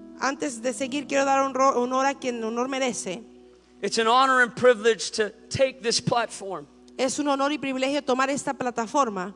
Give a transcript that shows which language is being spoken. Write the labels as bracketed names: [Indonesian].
[Spanish] Antes de seguir, quiero dar honor a quien honor merece. [English] It's an honor and privilege to take this platform. [Spanish] Es un honor y privilegio tomar esta plataforma.